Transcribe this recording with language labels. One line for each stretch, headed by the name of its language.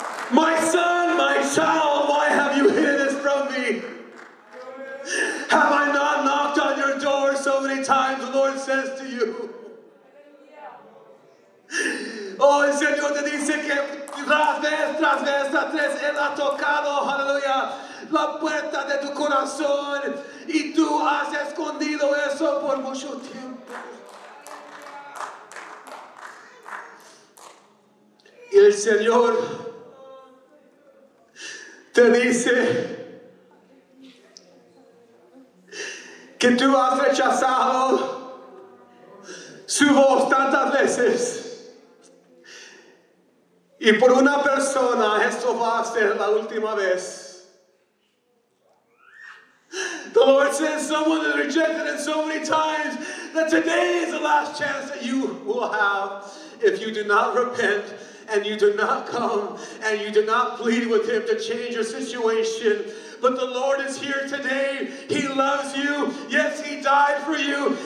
English: My son, my child, why have you hidden this from me? Have I not knocked on your door so many times, the Lord says to you?
Spanish: Oh, el Señor te dice que tras vez, tras tres, Él ha tocado, aleluya, la puerta de tu corazón, y tú has escondido eso por mucho tiempo. Y el Señor te dice que tú has rechazado su voz tantas veces. Y por una persona, esto va a ser la última vez.
English: The Lord says someone has rejected it so many times that today is the last chance that you will have if you do not repent and you do not come and you do not plead with Him to change your situation. But the Lord is here today. He loves you. Yes, He died for you.